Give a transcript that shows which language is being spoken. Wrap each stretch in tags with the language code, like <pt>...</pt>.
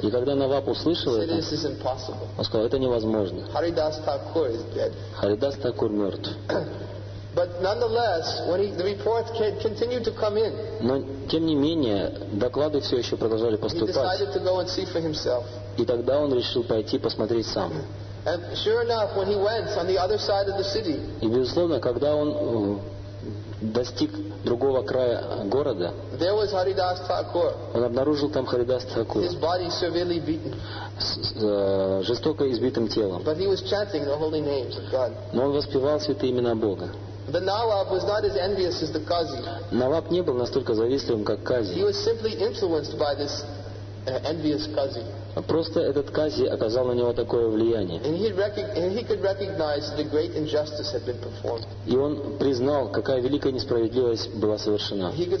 <ru>и когда Наваб услышал это,</ru> <en>this is impossible.</en> <ru>Он сказал, это невозможно.</ru> <en>Харидас Такур is dead.</en> <ru>Харидас Такур мертв.</ru> <en>But nonetheless, when the reports continued to come in,</en> <ru>но тем не менее доклады все еще продолжали поступать.</ru> <en>He decided to go and see for himself.</en> <ru>И тогда он решил пойти посмотреть сам.</ru> <en>And sure enough, when he went on the other side of the city,</en> <ru>и безусловно, когда он достиг другого края города,</ru> <en>there was Haridas Thakur.</en> <ru>Он обнаружил там Харидас Такур.</ru> <en>His body severely beaten.</en> <ru>Жестоко избитым телом.</ru> <en>But he was chanting the holy names of God.</en> <ru>Но он воспевал святые имена Бога.</ru> <en>The Nawab was not as envious as the Qazi.</en> <ru>Наваб не был настолько завистливым, как Кази.</ru> <en>He was simply influenced by this envious Qazi.</en> <ru>Просто этот Кази оказал на него такое влияние. И он признал, какая великая несправедливость была совершена.</ru>